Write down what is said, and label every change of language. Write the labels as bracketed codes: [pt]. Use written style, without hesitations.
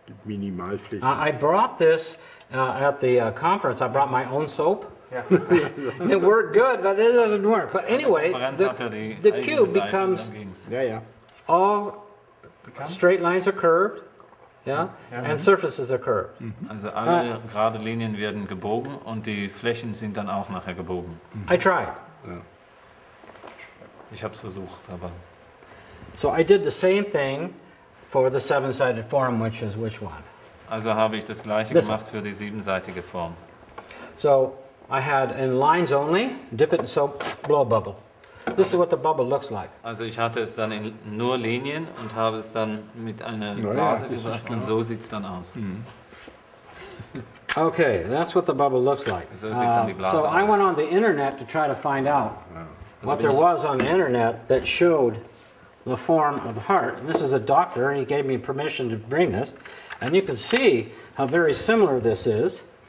[de] Minimalflächen. [en] I brought this at the conference. I brought my own soap. Yeah. It worked good, but it doesn't work. But anyway, the cube becomes all straight lines are curved. Yeah, and surfaces are curved. [de] Also alle gerade Linien werden gebogen und die Flächen sind dann auch nachher gebogen. [en] I tried. [de] Yeah. Ich habe es versucht, aber. [en] So I did the same thing for the seven-sided form, which is which one? [de] Also habe ich das gleiche gemacht für die siebenseitige Form. [en] So I had in lines only, dip it in soap, blow a bubble. This is what the bubble looks like. [de] Also ich hatte es dann in nur Linien und habe es dann mit einer Blase gemacht und so sieht es dann aus. [en] Okay, that's what the bubble looks like. [de] So sieht dann die Blase aus. [en] So I went on the internet to try to find out what there was on the internet that showed the form of the heart. And this is a doctor and he gave me permission to bring this. And you can see how very similar this is.